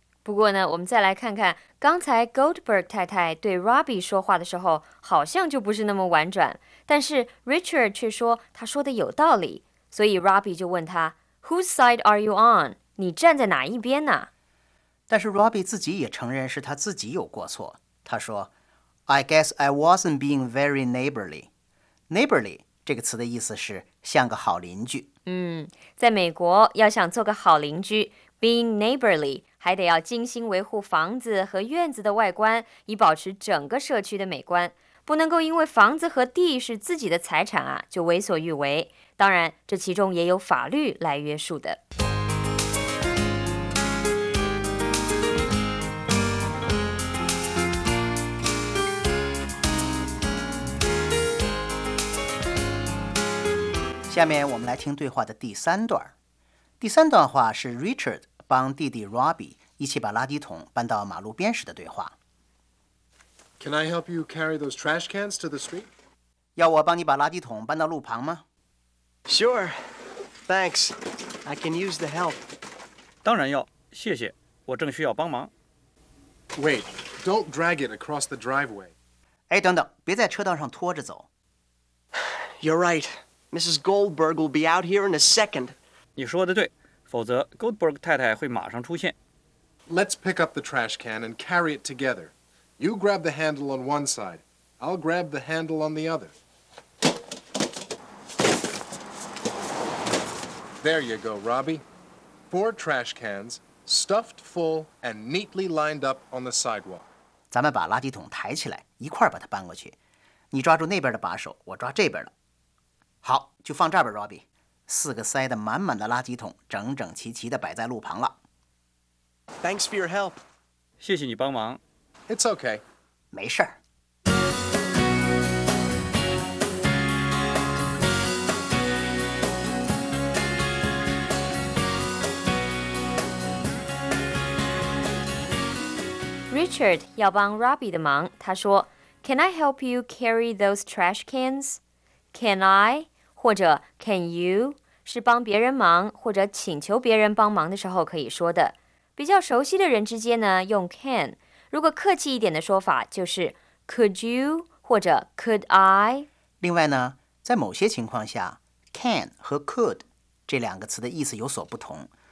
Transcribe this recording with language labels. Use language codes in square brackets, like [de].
[zh] 不过呢，我们再来看看刚才 Goldberg 太太对 Robbie 说话的时候，好像就不是那么婉转。但是 Richard 却说他说的有道理，所以 Robbie 就问他 ： [en] Whose side are you on？ [zh] 你站在哪一边呢？但是 Robbie 自己也承认是他自己有过错。他说 [en] ：“I guess I wasn't being very neighborly. [zh] Neighborly 这个词的意思是像个好邻居。” 在美国要想做个好邻居 ，being neighborly 还得要精心维护房子和院子的外观，以保持整个社区的美观。不能够因为房子和地是自己的财产啊，就为所欲为。当然，这其中也有法律来约束的。下面我们来听对话的第三段。第三段话是 Richard 帮弟弟 Robbie 一起把垃圾桶搬到马路边时的对话。 [en] Can I help you carry those trash cans to the street? [zh] 要我帮你把垃圾桶搬到路旁吗？ [en] Sure. Thanks. I can use the help. [zh] 当然要，谢谢。我正需要帮忙。 [en] Wait. Don't drag it across the driveway. [zh] 等等，别在车道上拖着走。 [en] You're right. Mrs. Goldberg will be out here in a second. [zh] 你说的对，否则 Goldberg 太太会马上出现。 [en] Let's pick up the trash can and carry it together. You grab the handle on one side. I'll grab the handle on the other. There you go, Robbie. 4 trash cans, stuffed full and neatly lined up on the sidewalk. [zh] 咱们把垃圾桶抬起来，一块把它搬过去。你抓住那边的把手，我抓这边的。好，就放这儿吧 ，Robbie。四个塞得满满的垃圾桶，整整齐齐地摆在路旁了。 [en] Thanks for your help。 [zh] 谢谢你帮忙。 [en] It's okay。 [zh] 没事儿。 Richard 要帮 Robbie 的忙，他说 ： [en] “Can I help you carry those trash cans? Can I?” [zh] 或者 can you 是帮别人忙或者请求别人帮忙的时候可以说的。比较熟悉的人之间呢，用 can。如果客气一点的说法，就是 could you 或者 could I。另外呢，在某些情况下 ，can 和 could 这两个词的意思有所不同。